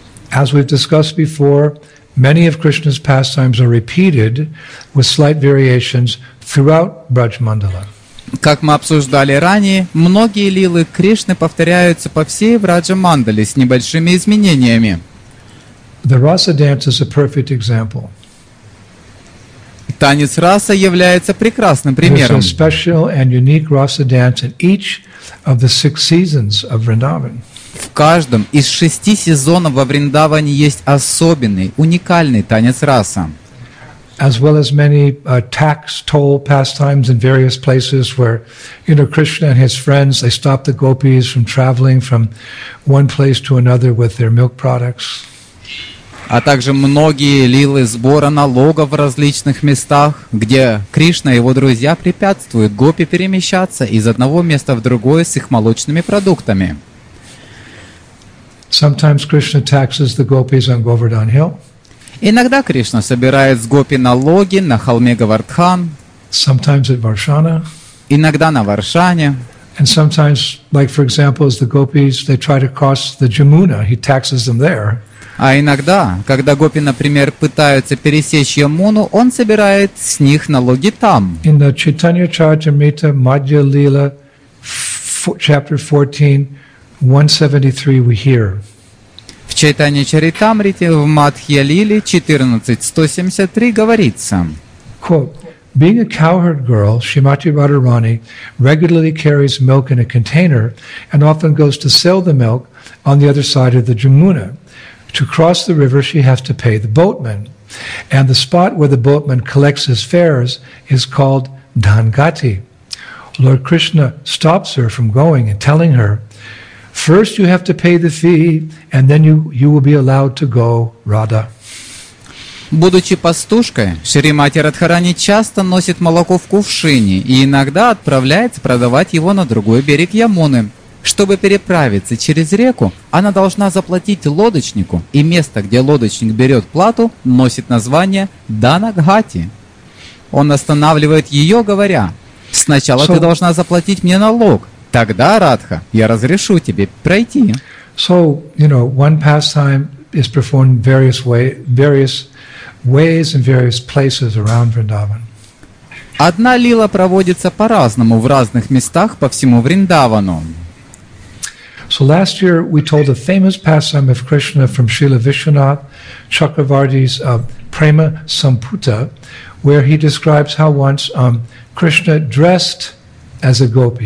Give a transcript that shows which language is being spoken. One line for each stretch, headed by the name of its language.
English: As we've discussed before, many of Krishna's pastimes are repeated with slight variations throughout Brajmandala.
Russian: Как мы обсуждали ранее, многие лилы Кришны повторяются по всей Брадж-мандале с небольшими изменениями.
English: The Rasa dance is a perfect example.
Russian: Танец Раса является прекрасным примером.
English: There's a special and unique Rasa dance in each of the six seasons of Vrindavan.
Russian: В каждом из шести сезонов во Вриндаване есть особенный, уникальный танец раса.
English: As well as many tax toll pastimes in various places where, you know, Krishna and his friends, they stop the gopis from traveling from one place to another with their milk products.
Russian: А также многие лилы сбора налогов в различных местах, где Кришна и его друзья препятствуют гопи перемещаться из одного места в другое с их молочными продуктами.
English: Sometimes Krishna taxes the gopis on Govardhan Hill.
Russian: Иногда Кришна собирает с гопи налоги на холме Говардхан.
English: Sometimes at Varshana.
Russian: Иногда на Варшане.
English: And sometimes, like for example, as the gopis they try to cross the Jamuna, he taxes them there.
Russian: А иногда, когда гопи, например, пытаются пересечь Ямуну, он собирает с них налоги там.
English: In the Chaitanya Charitamrita Madhya Lila, chapter 14. 173 we hear.
Russian: В Чайтане Чаритамрите в Мадхьялиле 14.173 говорится.
English: Quote, being a cowherd girl, Shrimati Radharani regularly carries milk in a container and often goes to sell the milk on the other side of the Jamuna. To cross the river, she has to pay the boatman. And the spot where the boatman collects his fares is called Dhangati. Lord Krishna stops her from going and telling her, first you have to pay the fee, and then you will be allowed to go, Radha.
Russian: Будучи пастушкой, Шримати Радхарани часто носит молоко в кувшине и иногда отправляется продавать его на другой берег Ямуны. Чтобы переправиться через реку, она должна заплатить лодочнику, и место, где лодочник берет плату, носит название Данагхати. Он останавливает ее, говоря: «Сначала ты должна заплатить мне налог, тогда, Радха, я разрешу тебе пройти».
English: So, you know, one pastime is performed various ways in various places around Vrindavan.
Russian: Одна лила проводится по-разному в разных местах по всему Вриндавану.
English: So last year we told the famous pastime of Krishna from Srila Vishwanath Chakravarti's Prema Samputa, where he describes how once Krishna dressed as a gopi.